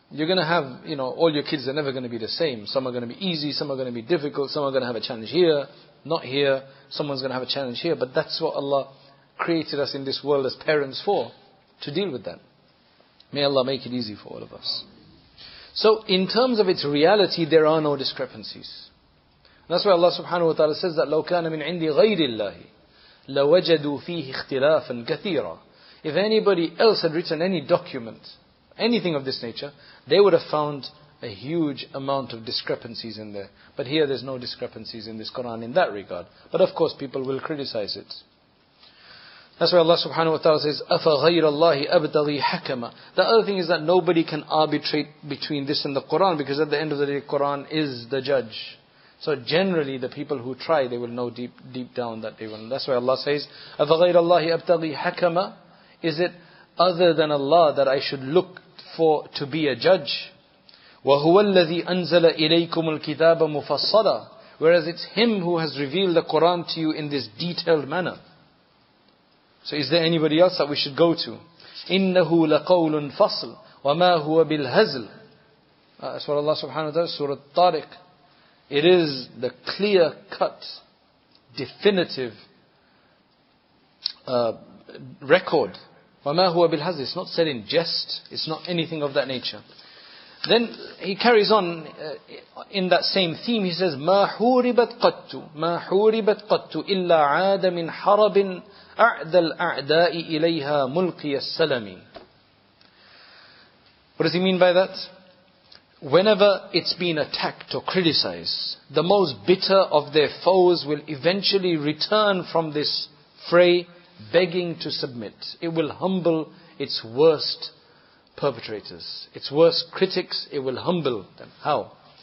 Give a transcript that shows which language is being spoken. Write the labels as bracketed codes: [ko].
[en] You're going to have, you know, all your kids are never going to be the same. Some are going to be easy. Some are going to be difficult. Some are going to have a challenge here. Not here. Someone's going to have a challenge here. But that's what Allah created us in this world as parents for. To deal with that. May Allah make it easy for all of us. So in terms of its reality, there are no discrepancies. That's why Allah subhanahu wa ta'ala says that [ar] لَوْ كَانَ مِنْ عِنْدِ غَيْرِ اللَّهِ لَوَجَدُوا فِيهِ اخْتِلَافًا كَثِيرًا. [en] If anybody else had written any document, anything of this nature, they would have found a huge amount of discrepancies in there. But here there's no discrepancies in this Quran in that regard. But of course people will criticize it. That's why Allah subhanahu wa ta'ala says, [ar] أَفَ غَيْرَ اللَّهِ أَبْتَغِي حَكَمًا. [en] The other thing is that nobody can arbitrate between this and the Quran, because at the end of the day, Quran is the judge. So generally, the people who try, they will know deep down that they will. That's why Allah says, [ar] أَفَ غَيْرَ اللَّهِ أَبْتَغِي حَكَمًا. [en] Is it other than Allah that I should look for to be a judge? [ar] وَهُوَ الَّذِي أَنزَلَ إِلَيْكُمُ الْكِتَابَ مُفَصَّلًا. [en] Whereas it's Him who has revealed the Quran to you in this detailed manner. So is there anybody else that we should go to? [ar] إِنَّهُ لَقَوْلٌ فَصْلٌ وَمَا هُوَ بِالْهَزْلِ. [en] That's what Allah subhanahu wa ta'ala, Surah Tariq. It is the clear cut, definitive record. [ar] وَمَا هُوَ بِالْهَزْلِ. [en] It's not said in jest. It's not anything of that nature. Then he carries on in that same theme. He says, [ar] مَا حُورِبَتْ قَتْتُ مَا حُورِبَتْ قَتْتُ إِلَّا عَادَ مِنْ حَرَبٍ أَعْدَ الْأَعْدَاءِ إِلَيْهَا مُلْقِيَ السَّلَمِ. [en] What does he mean by that? Whenever it's been attacked or criticized, the most bitter of their foes will eventually return from this fray begging to submit. It will humble its worst perpetrators, its worst critics. It will humble them. How?